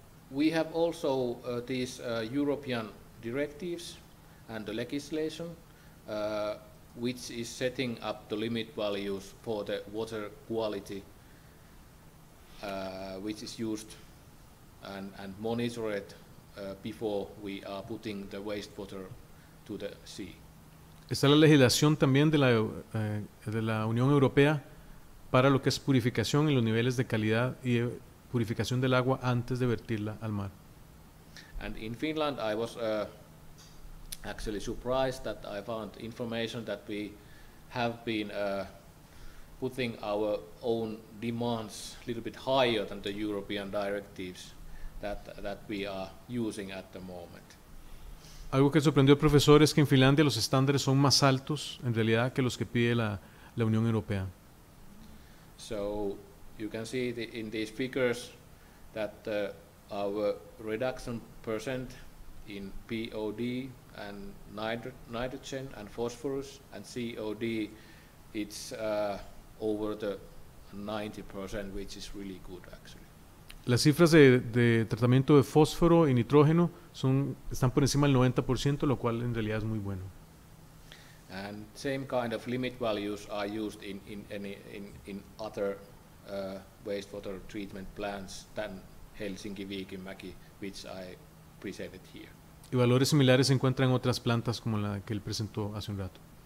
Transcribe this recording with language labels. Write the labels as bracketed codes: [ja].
[en] We have also these European directives and the legislation which is setting up the limit values for the water quality which is used and monitored before we are putting the wastewater to the sea. [es] Está la legislación también de la Unión Europea para lo que es purificación en los niveles de calidad y de purificación del agua antes de vertirla al mar. [en] And in Finland I was actually surprised that I found information that we have been putting our own demands a little bit higher than the European directives that we are using at the moment. [es] Algo que sorprendió al profesor es que en Finlandia los estándares son más altos en realidad que los que pide la Unión Europea. [en] So you can see in these figures that our reduction percent in POD and nitrogen and phosphorus and COD, it's over the 90%, which is really good actually. [es] Las cifras de tratamiento de fósforo y nitrógeno están por encima del 90%, lo cual en realidad es muy bueno. [en] And same kind of limit values are used in other wastewater treatment plants than Helsinki, Vik and Mäki, which I presented here. [es] Y valores similares se encuentran en otras plantas como la que él presentó hace un rato.